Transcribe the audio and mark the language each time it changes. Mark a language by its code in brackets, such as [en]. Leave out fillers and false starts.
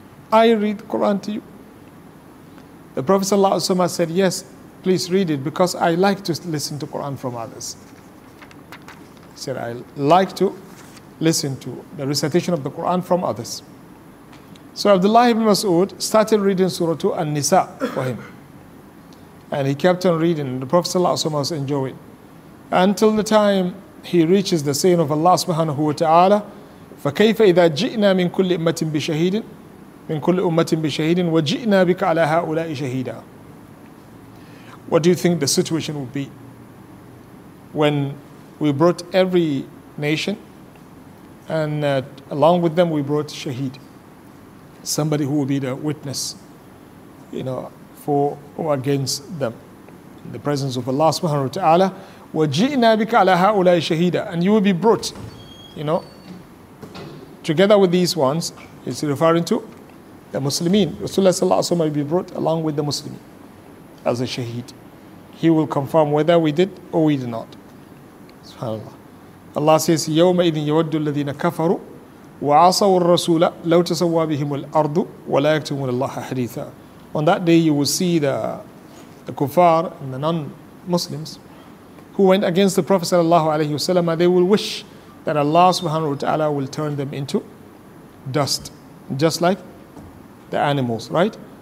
[en] I read Quran to you. The Prophet ﷺ said, yes, please read it because I like to listen to Quran from others. He said, I like to listen to the recitation of the Quran from others. So Abdullah ibn Mas'ud started reading Surah 2 An-Nisa for him. And he kept on reading. The Prophet ﷺ was enjoying. Until the time he reaches the saying of Allah subhanahu wa ta'ala, [ar] فَكَيْفَ إِذَا جِئْنَا مِنْ كُلِّ أُمَّةٍ بِشَهِيدٍ من كل أمة بشهيد وجئنا بك على هؤلاء شهيدا. [en] What do you think the situation would be when we brought every nation and along with them we brought shaheed, somebody who will be the witness, for or against them in the presence of Allah subhanahu wa ta'ala. [ar] وجئنا بك على هؤلاء شهيدا. [en] And you will be brought, together with these ones. It's referring to the Muslimin. Rasulullah sallallahu alayhi wa sallam will be brought along with the Muslimin as a shaheed. He will confirm whether we did or we did not. SubhanAllah. Allah says, [ar] يَوْمَ إِذٍ يَوَدُّ الَّذِينَ كَفَرُوا وَعَصَوُ الرَّسُولَ لَوْ تَسَوَّى بِهِمُ الْأَرْضُ وَلَا يَكْتُمُونَ اللَّهَ حَدِيثًا. [en] On that day you will see the kuffar and the non-Muslims who went against the Prophet sallallahu alayhi wa sallam. They will wish that Allah subhanahu wa ta'ala will turn them into dust. Just like the animals, right?